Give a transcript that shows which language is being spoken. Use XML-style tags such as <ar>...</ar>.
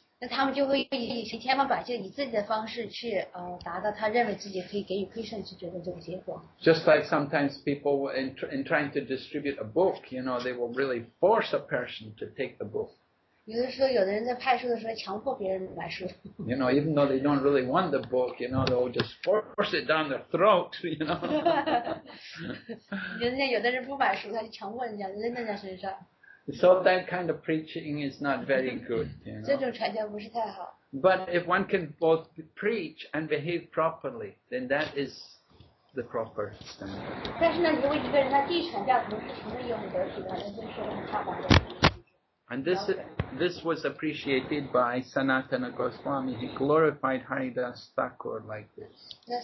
<zh>那他们就会以千方百计以自己的方式去达到他认为自己可以给予 Krishna 去觉得这个结果。</zh> <en>Just like sometimes people in trying to distribute a book, you know, they will really force a person to take the book.</en> <zh>有的时候，有的人在派书的时候强迫别人买书。</zh> <en>You know, even though they don't really want the book, you know, they'll just force it down their throat, you know.</en> <zh>人家有的人不买书，他就强迫人家扔在人家身上。</zh> <en>So that kind of preaching is not very good, you know.</en> <zh>这种传教不是太好。</zh> <en>But if one can both preach and behave properly, then that is the proper standard.</en> <zh>但是呢，如果一个人他既传教，同时行为又很得体的，那就是很恰当的。</zh> <en>And this was appreciated by Sanatana Goswami. He glorified Haridas Thakur like this.</en>